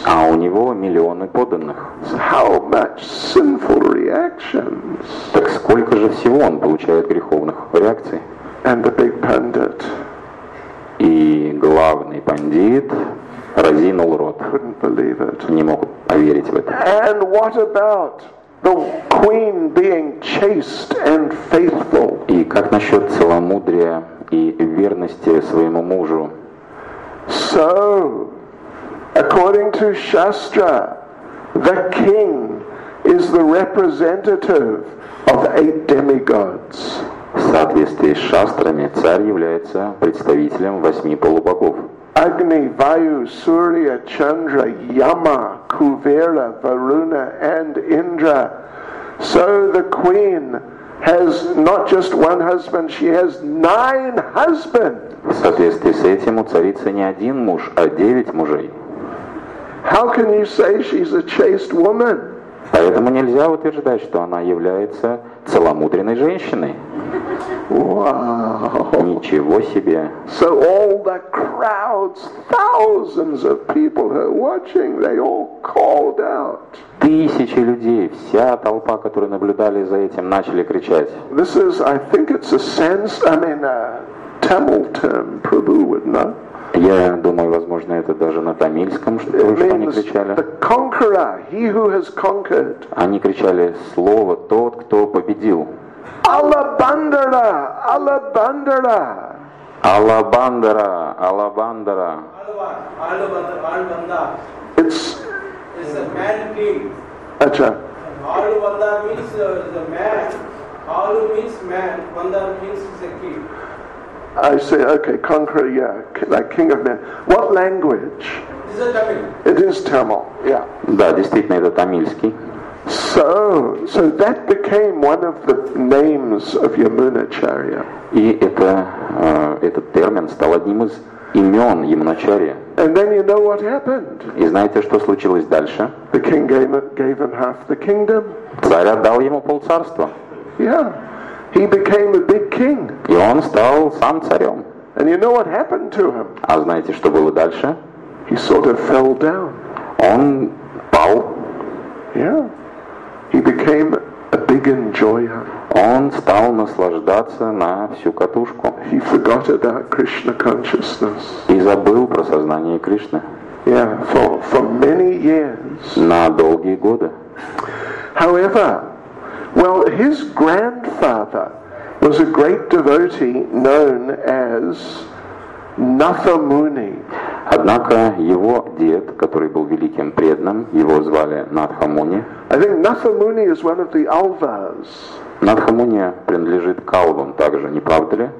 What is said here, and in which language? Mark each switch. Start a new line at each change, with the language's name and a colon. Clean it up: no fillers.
Russian: А у него миллионы подданных.
English: So how much sinful reactions?
Russian: Так сколько же всего он получает греховных реакций?
English: And the big pundit.
Russian: И главный пандит разинул рот.
English: Couldn't believe it.
Russian: Не мог поверить в это.
English: And what about the queen being chaste and faithful?
Russian: И как насчет целомудрия и верности своему мужу?
English: So, according to Shastra, the king is the representative of 8 demigods.
Russian: В соответствии с шастрами, царь является представителем 8 полубогов.
English: Agni, Vayu, Surya, Chandra, Yama, Kuvera, Varuna, and Indra. So the queen has not just one husband, she has 9 husbands.
Russian: В соответствии с этим у царицы не один муж, а 9 мужей.
English: How can you say she's a chaste woman?
Russian: Поэтому нельзя утверждать, что она является целомудренной женщиной.
English: Wow.
Russian: Ничего себе.
English: So all the crowds, thousands of people who are watching, they all called out.
Russian: Тысячи людей, вся толпа, которые наблюдали за этим, начали кричать.
English: This is, I think it's a Tamil term, Prabhu would know.
Russian: Я думаю, возможно, это даже на тамильском, что они кричали.
English: The conqueror, he who has conquered.
Russian: Они кричали слово «Тот, кто победил».
Tamil: Алабандара, Алабандара. Алабандара, Алабандара. Алабанда.
English: It's a man king.
Hindi: Acha.
English: Алабанда means the man. Алу means man. Банда means the king. I say, okay, conqueror, yeah, like king of men. What language? Is it Tamil? It is Tamil, yeah.
Russian: Да, действительно, это тамильский.
English: So that became one of the names of Yamanacharya.
Russian: И этот термин стал одним из имен Yamanacharya.
English: And then you know what happened?
Russian: И знаете, что случилось дальше?
English: The king gave him half the kingdom.
Russian: Царь отдал ему полцарства.
English: Yeah. He became a big king.
Russian: И он стал сам царем.
English: And you know what happened to him?
Russian: А знаете, что было дальше?
English: He sort of fell down.
Russian: Он пал.
English: Yeah. He became a big enjoyer.
Russian: Он стал наслаждаться на всю катушку.
English: He forgot about Krishna consciousness.
Russian: И забыл про сознание Кришны.
English: Yeah. For many years.
Russian: На долгие годы.
English: However, well, his grandfather was a great devotee known as Nathamuni.
Russian: Однако его дед, который был великим преданным, его звали Натхамуни.
English: I think Nathamuni is one of the Alvas.
Russian: Натхамуни принадлежит к Алвам также, не правда ли?